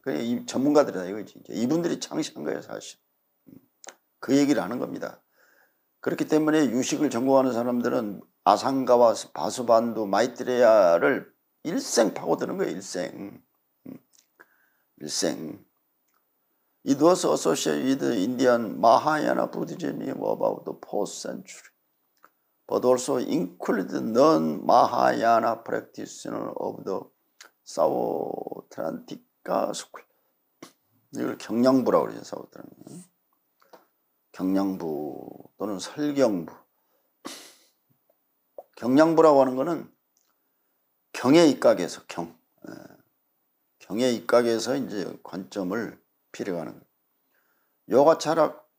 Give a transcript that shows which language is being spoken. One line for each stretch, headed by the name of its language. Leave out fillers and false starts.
Korean: 그래, 이 전문가들이다, 이거지. 이분들이 창시한 거예요, 사실. 그 얘기를 하는 겁니다. 그렇기 때문에 유식을 전공하는 사람들은 아상가와 바수반두 마이트레야를 일생 파고드는 거예요, 일생. 일생.
English: It was associated with Indian Mahayana Buddhism about the fourth century, but also included non-Mahayana practitioners of the Sauvatantika school.
Korean: 이걸 경량부라고 그러죠, 사우트라는. 경량부 또는 설경부. 경량부라고 하는 거는 경의 입각에서 경. 경의 입각에서 이제 관점을 필요로 하는 거예요. 요가 철학